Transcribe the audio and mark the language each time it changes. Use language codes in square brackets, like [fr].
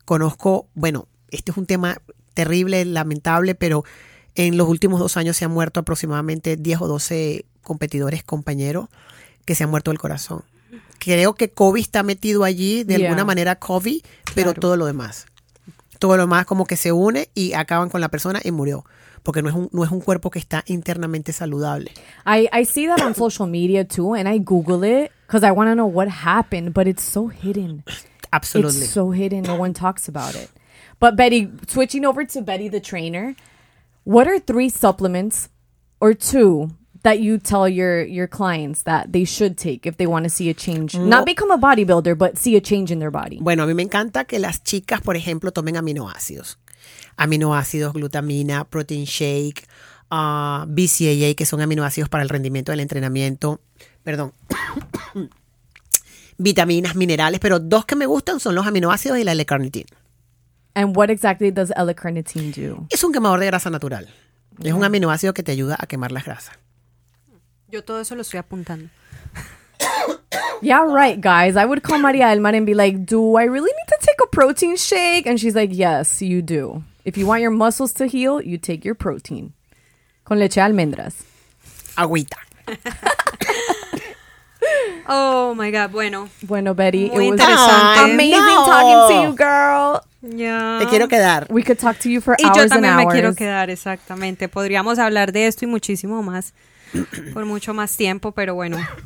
[es] Conozco, bueno, este es un tema terrible, lamentable, pero en los últimos 2 años se han muerto aproximadamente 10 o 12 competidores, compañeros, que se han muerto del corazón. Creo que COVID está metido allí, de alguna manera COVID, pero claro, todo lo demás. Todo lo demás como que se une y acaban con la persona y murió. Porque no es un cuerpo que está internamente saludable. [en] I see that on social media too, and I Google it because I want to know what happened, but it's so hidden. Absolutely. It's so hidden. No one talks about it. But Betty, switching over to Betty the trainer, what are 3 supplements or 2 that you tell your clients that they should take if they want to see a change? No. Not become a bodybuilder, but see a change in their body. [es] Bueno, a mí me encanta que las chicas, por ejemplo, tomen aminoácidos. Aminoácidos, glutamina, protein shake, BCAA, que son aminoácidos para el rendimiento del entrenamiento. Perdón. Vitaminas, minerales, pero 2 que me gustan son los aminoácidos y la L-carnitine. [en] And what exactly does L-carnitine do? [es] Es un quemador de grasa natural. Okay. Es un aminoácido que te ayuda a quemar las grasas. Yo todo eso lo estoy apuntando. [en] Yeah, right, guys. I would call María Elma and be like, do I really need to take a protein shake? And she's like, yes, you do. If you want your muscles to heal, you take your protein. [es] Con leche de almendras. Agüita. [en] Oh, my God. Bueno. Bueno, Betty. Muy it was interesting. Amazing talking to you, girl. [es] Te quiero quedar. [en] We could talk to you for hours and hours. [es] Y yo también me quiero quedar, exactamente. Podríamos hablar de esto y muchísimo más por mucho más tiempo, pero bueno.